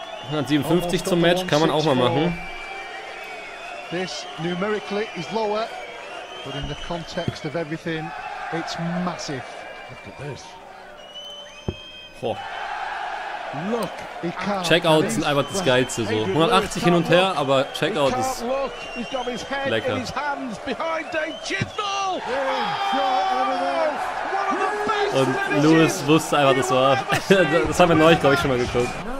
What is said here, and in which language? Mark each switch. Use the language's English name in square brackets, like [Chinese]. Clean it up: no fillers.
[German] 157 zum Match, kann man auch mal machen. [English] This numerically is lower, but in the context of everything, it's massive. Look at this. Oh. [German] Checkout sind einfach das Geilste, so 180 hin und her, aber Checkout ist lecker. Und Lewis wusste einfach, das war. Das haben wir neulich, glaube ich, schon mal geguckt.